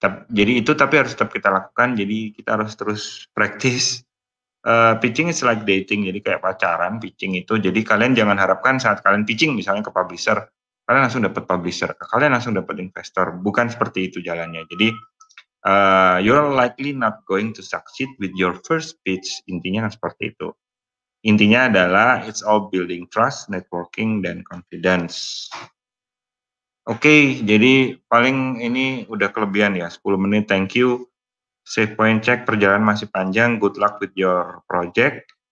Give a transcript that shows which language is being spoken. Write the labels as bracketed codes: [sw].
[id] Jadi itu tapi harus tetap kita lakukan. Jadi kita harus terus practice. [en] Pitching is like dating, [id] jadi kayak pacaran pitching itu. Jadi kalian jangan harapkan saat kalian pitching misalnya ke publisher, kalian langsung dapat publisher, kalian langsung dapat investor. Bukan seperti itu jalannya. [en] Jadi you're likely not going to succeed with your first pitch. [id] Intinya kan seperti itu. Intinya adalah [en] it's all building trust, networking, dan confidence. [id] Okay, jadi paling ini udah kelebihan ya, 10 menit, [en] thank you. Save point check, [id] perjalanan masih panjang, [en] good luck with your project.